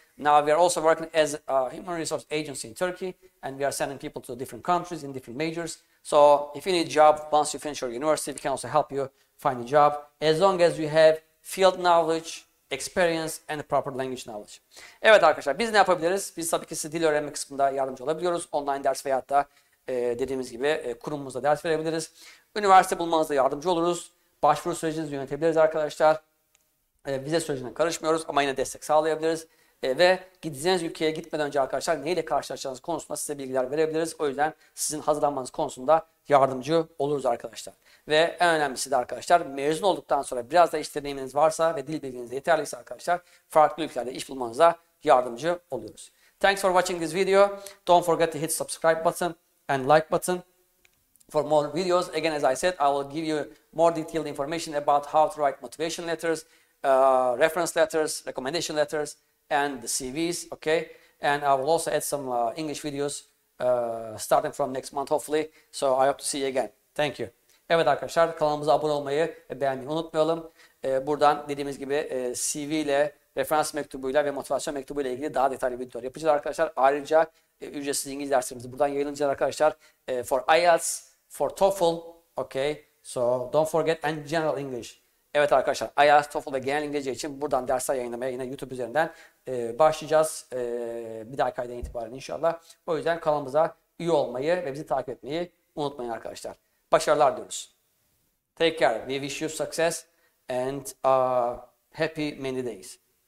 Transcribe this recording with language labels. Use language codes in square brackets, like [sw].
[en] Now we are also working as a human resource agency in Turkey and we are sending people to different countries in different majors. So if you need a job, once you finish your university, we can also help you find a job as long as you have field knowledge, experience and proper language knowledge. [tr] Evet arkadaşlar, biz ne yapabiliriz? Biz tabii ki size dil öğrenme kısmında yardımcı olabiliyoruz. Online ders veyahut da dediğimiz gibi kurumumuzda ders verebiliriz. Üniversite bulmanızda yardımcı oluruz. Başvuru sürecinizi yönetebiliriz arkadaşlar. Vize sürecine karışmıyoruz ama yine destek sağlayabiliriz. Ve gideceğiniz ülkeye gitmeden önce arkadaşlar neyle karşılaşacağınız konusunda size bilgiler verebiliriz. O yüzden sizin hazırlanmanız konusunda yardımcı oluruz arkadaşlar. Ve en önemlisi de arkadaşlar mezun olduktan sonra biraz da iş deneyiminiz varsa ve dil bilginiz yeterliyse arkadaşlar farklı ülkelerde iş bulmanıza yardımcı oluyoruz. [en] Thanks for watching this video. Don't forget to hit subscribe button and like button for more videos. Again, as I said, I will give you more detailed information about how to write motivation letters, reference letters, recommendation letters. and the CVs, okay? And I will also add some English videos starting from next month, hopefully. So I hope to see you again. Thank you. [tr] Evet arkadaşlar, kanalımıza abone olmayı ve beğenmeyi unutmayalım. Buradan dediğimiz gibi CV ile, referans mektubuyla ve motivasyon mektubuyla ilgili daha detaylı videolar yapacağız arkadaşlar. Ayrıca ücretsiz İngiliz derslerimiz buradan yayınlanacak arkadaşlar. [en] For IELTS, for TOEFL, okay? So don't forget and general English. [tr] Evet arkadaşlar, IELTS, TOEFL ve genel İngilizce için buradan dersler yayınlamaya yine YouTube üzerinden başlayacağız. Bir dahaki aydan itibaren inşallah. O yüzden kanalımıza üye olmayı ve bizi takip etmeyi unutmayın arkadaşlar. Başarılar diliyoruz. [en] Take care. We wish you success and happy many days.